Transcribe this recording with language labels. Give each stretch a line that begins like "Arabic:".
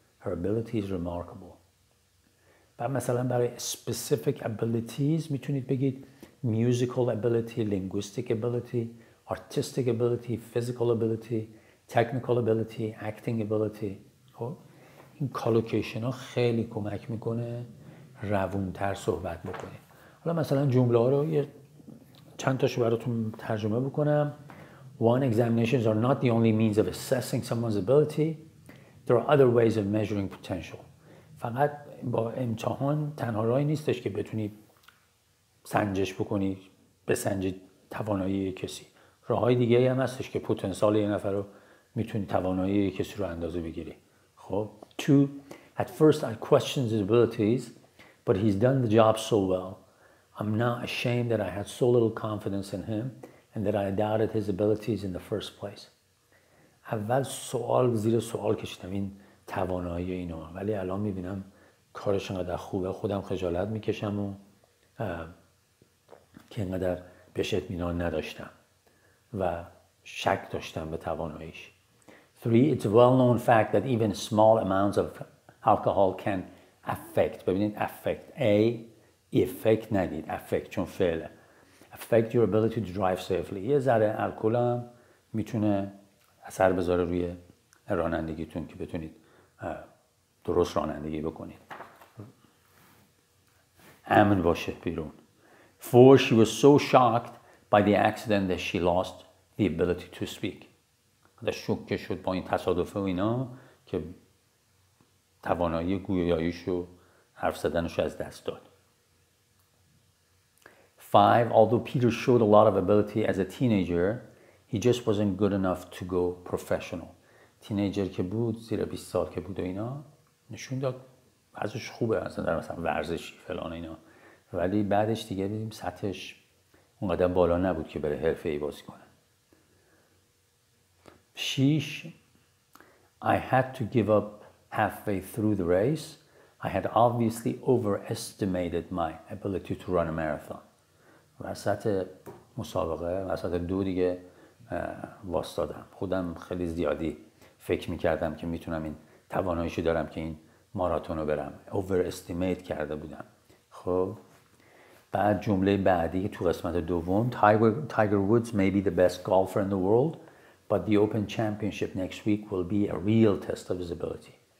English: Her ability is remarkable.
Persian: بعد مثلا برای
English: specific abilities
Persian: میتونید بگید
English: musical ability، linguistic ability، artistic ability، physical ability، technical ability، acting ability.
Persian: خب این collocation ها خیلی کمک میکنه روونتر صحبت بکنید. حالا مثلا جمله ها رو چند تاشو براتون ترجمه بکنم.
English: One, examinations are not the only means of assessing someone's ability. There are other ways of measuring potential.
Persian: فقط با امتحان تنها راهی نیستش که بتونی سنجش بکنی، بسنجی توانایی کسی. راه‌های دیگه‌ای هم هستش که پتانسیل یه نفر رو میتونی توانایی کسی رو اندازه بگیری. خب 2.
English: At first I questioned his abilities, but he's done the job so well. I'm now ashamed that I had so little confidence in him and that I doubted his abilities in the first place.
Persian: اول سوال زیر سوال کشیدم این توانایی اینو، ولی الان میبینم کارش انقدر خوبه، خودم خجالت میکشم و که انقدر بهش اطمینان نداشتم و شک داشتم به تواناییش. 3.
English: It's a well-known fact that even small amounts of alcohol can affect.
Persian: ببینید affect. A. Effect ندید. Affect چون فعله.
English: Affect your ability to drive safely.
Persian: یه ذره الکول هم میتونه اثر بذاره روی رانندگیتون که بتونید درست رانندگی بکنید. امن باشه بیرون. 4.
English: She was so shocked by the accident that she lost the ability to speak.
Persian: حالا شوکه شد با این تصادفه و اینا که توانایی گویاییش و حرف زدنش از دست داد.
English: 5. Although Peter showed a lot of ability as a teenager, he just wasn't good enough to go professional.
Persian: تینیجر که بود، زیر 20 سال که بود و اینا، نشون داد ازش خوبه از نظر مثلا ورزشی فلان اینا، ولی بعدش دیگه دیدیم سطحش اونقدر بالا نبود که بره حرفه‌ای بازی کنه. 6.
English: I had to give up halfway through the race. I had obviously overestimated my ability to run a marathon.
Persian: وسط مسابقه، وسط دو دیگه واستادم. خودم خیلی زیادی فکر میکردم که میتونم این تواناییشو دارم که این ماراتونو برم. Overestimate کرده بودم. خب بعد جمله بعدی تو قسمت دوم،
English: Tiger Woods may be the best golfer in the world, but the Open Championship next week will be a real test of his ability.